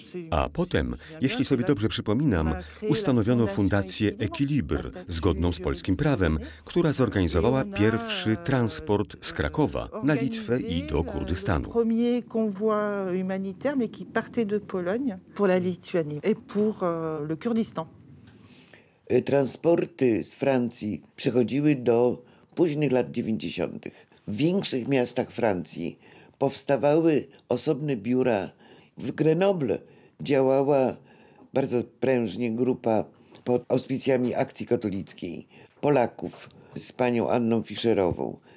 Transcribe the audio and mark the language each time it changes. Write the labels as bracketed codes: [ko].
[pl] A potem, jeśli sobie dobrze przypominam, ustanowiono fundację Equilibr, zgodną z polskim prawem, która zorganizowała pierwszy transport z Krakowa na Litwę i do Kurdystanu. [fr] Premier konvoi humanitaire, mais qui partait de Pologne pour la Lituanie et pour le Kurdistan. [pl] Transporty z Francji przychodziły do późnych lat 90. W większych miastach Francji powstawały osobne biura. W Grenoble działała bardzo prężnie grupa pod auspicjami Akcji Katolickiej Polaków z panią Anną Fischerową.